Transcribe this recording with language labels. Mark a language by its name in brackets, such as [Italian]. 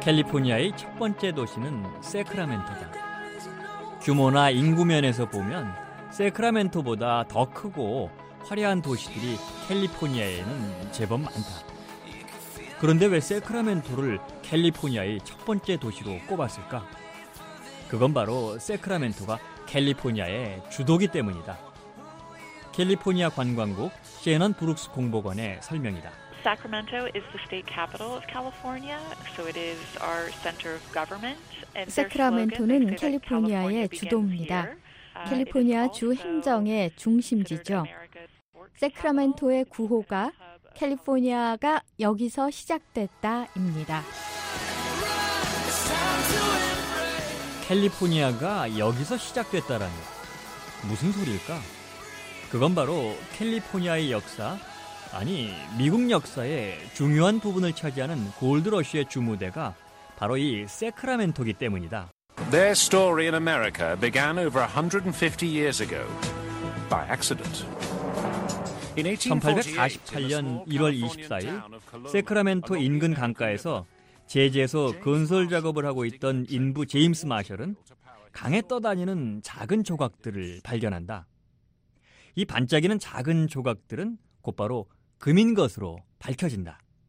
[Korean] 캘리포니아의 첫 번째 도시는 세크라멘토다. 규모나 인구 면에서 보면 세크라멘토보다 더 크고 화려한 도시들이 캘리포니아에는 제법 많다. 그런데 왜 세크라멘토를 캘리포니아의 첫 번째 도시로 꼽았을까? 그건 바로 세크라멘토가 캘리포니아의 주도기 때문이다. 캘리포니아 관광국 셰넌 브룩스 공보관의 설명이다. [English] Sacramento is the state capital of California, so it is our center of government. [Korean] 세크라멘토는 캘리포니아의 주도입니다. 캘리포니아 주 행정의 중심지죠. 세크라멘토의 구호가 캘리포니아가 여기서 시작됐다입니다. 캘리포니아가 여기서 시작됐다라니 무슨 소리일까? 그건 바로 캘리포니아의 역사, 아니 미국 역사의 중요한 부분을 차지하는 골드러쉬의 주무대가 바로 이 세크라멘토이기 때문이다. [English] Their story in America began over 150 years ago by accident. [Korean] 1848년 1월 24일 세크라멘토 인근 강가에서 제재소 건설 작업을 하고 있던 인부 제임스 마셜은 강에 떠다니는 작은 조각들을 발견한다. 이 반짝이는 작은 조각들은 곧바로 금인 것으로 밝혀진다.